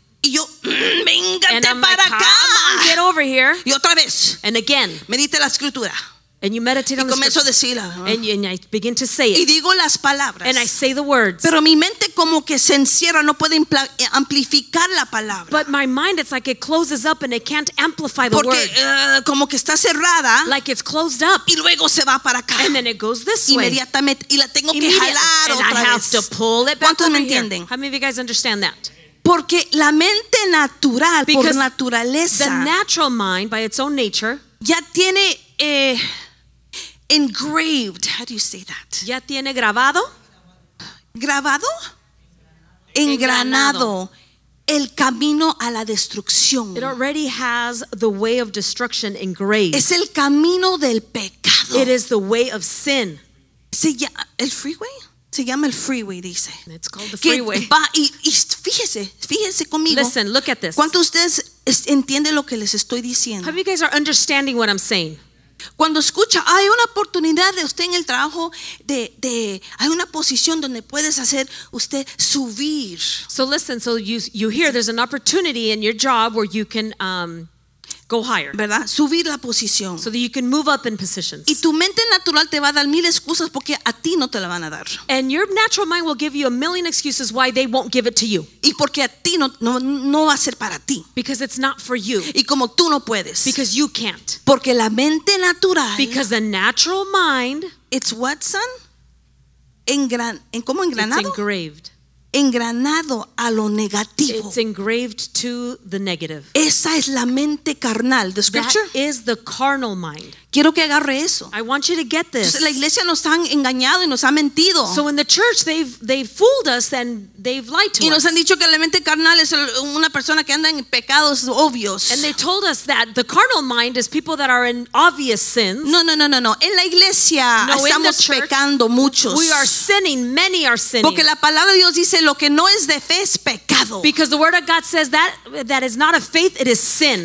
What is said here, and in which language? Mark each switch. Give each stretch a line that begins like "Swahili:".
Spanish: Y yo, véngate
English: and I'm
Spanish: para
English: like, come
Spanish: acá.
English: On, get over here.
Spanish: Y otra vez.
English: And again.
Spanish: Medite la escritura.
English: And you meditate on the scripture.
Spanish: Decirla,
English: ¿no? And I begin to say it.
Spanish: Y digo las palabras.
English: And I say the words.
Spanish: Pero mi mente como que se encierra, no puede amplificar la palabra.
English: But my mind, it's like it closes up and it can't amplify the
Spanish: porque,
English: word.
Spanish: Porque como que está cerrada.
English: Like it's closed up.
Spanish: Y luego se va para acá.
English: And then it goes this way.
Spanish: Inmediatamente. Y la tengo que jalar
English: and
Spanish: otra
English: I
Spanish: vez.
English: And I have to pull it back.
Spanish: ¿Cuántos me entienden?
English: How many of you guys understand that?
Spanish: Porque la mente natural,
English: because
Spanish: por naturaleza.
English: The natural mind, by its own nature.
Spanish: Ya tiene...
English: engraved. How do you say that?
Spanish: Ya tiene grabado. Grabado. Engranado. El camino a la destrucción.
English: It already has the way of destruction engraved.
Spanish: Es el camino del pecado.
English: It is the way of sin.
Spanish: Sí, ya, el freeway. Se llama el freeway, dice.
English: It's called the freeway.
Spanish: Y fíjense conmigo.
English: Listen, look at this.
Spanish: ¿Cuántos de ustedes entienden lo que les estoy diciendo?
English: How many of you guys are understanding what I'm saying?
Spanish: Cuando escucha, hay una oportunidad de usted en el trabajo, de hay una posición donde puedes hacer usted subir.
English: So listen, so you hear there's an opportunity in your job where you can go higher.
Spanish: ¿Verdad? Subir la posición.
English: So that you can move up in positions.
Spanish: Y tu mente natural te va a dar mil excusas porque a ti no te la van a dar.
English: And your natural mind will give you a million excuses why they won't give it to you.
Spanish: Y porque a ti no va a ser para ti.
English: Because it's not for you.
Spanish: Y como tú no puedes.
English: Because you can't.
Spanish: Porque la mente natural.
English: Because the natural mind. It's what, son?
Spanish: ¿Cómo engranado?
English: It's engraved.
Spanish: Engranado a lo negativo.
English: It's engraved to the negative.
Spanish: Esa es la mente carnal.
English: The scripture. That is the carnal mind.
Spanish: Quiero que agarre eso.
English: I want you to get this.
Spanish: Entonces, la iglesia nos han engañado y nos ha mentido.
English: So in the church they've fooled us and they've lied to us.
Spanish: Y nos han dicho que la mente carnal es una persona que anda en pecados obvios.
English: And they told us that the carnal mind is people that are in obvious sins.
Spanish: No. En la iglesia estamos
English: church,
Spanish: pecando muchos.
English: We are sinning. Many are sinning.
Spanish: Porque la palabra de Dios dice lo que no es de fe es pecado.
English: Because the word of God says that is not of faith, it is sin.